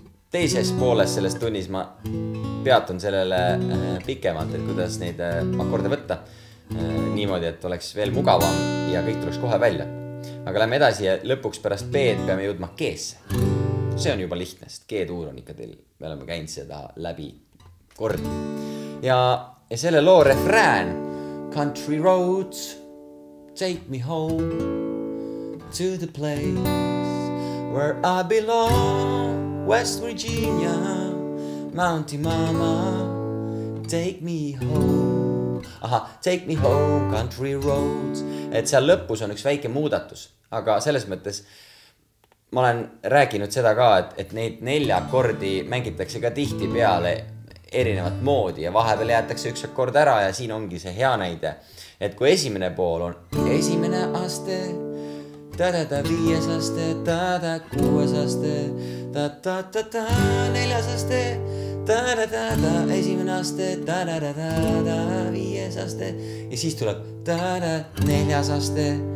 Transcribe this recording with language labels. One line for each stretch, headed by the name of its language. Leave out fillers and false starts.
Estonian: Teises pooles selles tunnis ma peatun sellele pikemalt, et kuidas neid akorde võtta niimoodi, et oleks veel mugavam ja kõik tuleks kohe välja. Aga lähme edasi ja lõpuks pärast B-d peame jõudma G-sse. See on juba lihtne, sest G-tuur on ikka teil. Me oleme käinud seda läbi kord. Ja selle loo refrään.
English: Country roads, take me home to the place where I belong. West Virginia, Mountain Mama, take me home. Aha, take me home, country roads.
Estonian: Et seal lõpus on üks väike muudatus. Aga selles mõttes ma olen rääkinud seda ka, et neid nelja akordi mängitakse ka tihti peale erinevat moodi ja vahepeal jäätakse üks akord ära ja siin ongi see hea näide. Et kui esimene pool on esimene aste, tadada viies aste, tadada kuues aste, tadadada neljas aste, tadadada esimene aste, tadadada viies aste ja siis tuleb tadada neljas aste.